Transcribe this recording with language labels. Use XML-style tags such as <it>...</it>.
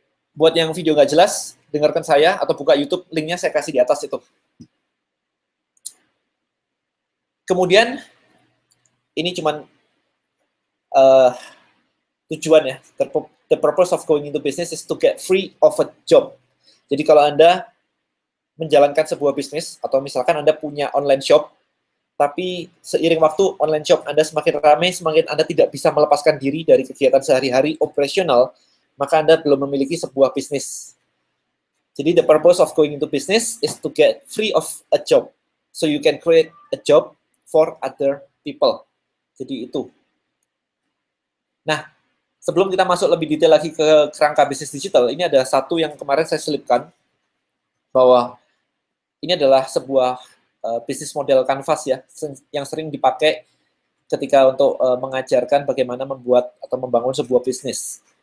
<id>Buat yang video nggak jelas, dengarkan saya atau buka YouTube, linknya saya kasih di atas itu. Kemudian, ini cuman tujuan ya.</id> <en>The purpose of going into business is to get free of a job.</en> <id>Jadi kalau Anda menjalankan sebuah bisnis, atau misalkan Anda punya online shop, tapi seiring waktu online shop Anda semakin ramai, semakin Anda tidak bisa melepaskan diri dari kegiatan sehari-hari operasional, maka Anda belum memiliki sebuah bisnis. Jadi</id> <en>the purpose of going into business is to get free of a job, so you can create a job for other people.</en> <id>Jadi itu. Nah, sebelum kita masuk lebih detail lagi ke kerangka bisnis digital, ini ada satu yang kemarin saya selipkan, bahwa ini adalah sebuah bisnis model kanvas ya, yang sering dipakai ketika untuk mengajarkan bagaimana membuat atau membangun sebuah bisnis.</id>